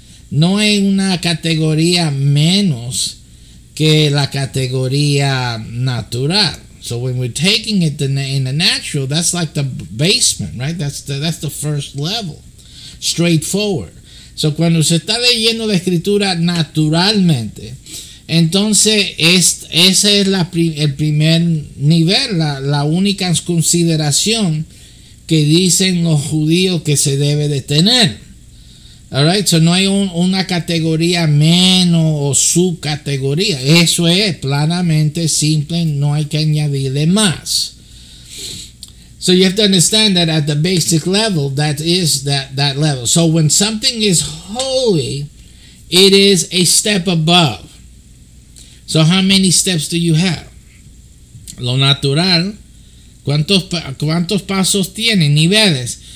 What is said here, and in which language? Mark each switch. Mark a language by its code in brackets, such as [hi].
[es] No hay una categoría menos que la categoría natural. [en] So when we're taking it in the natural, that's like the basement, right? That's the first level, straightforward. [es] So cuando se está leyendo la escritura naturalmente, entonces ese es el primer nivel, la única consideración que dicen los judíos que se debe de tener. [en] All right, [es] so no hay una categoría menos o subcategoría. Eso es planamente simple, no hay que añadirle más. [en] So you have to understand that at the basic level, that is that level. So when something is holy, it is a step above. So how many steps do you have? [es] Lo natural, ¿cuántos pasos tiene? Niveles.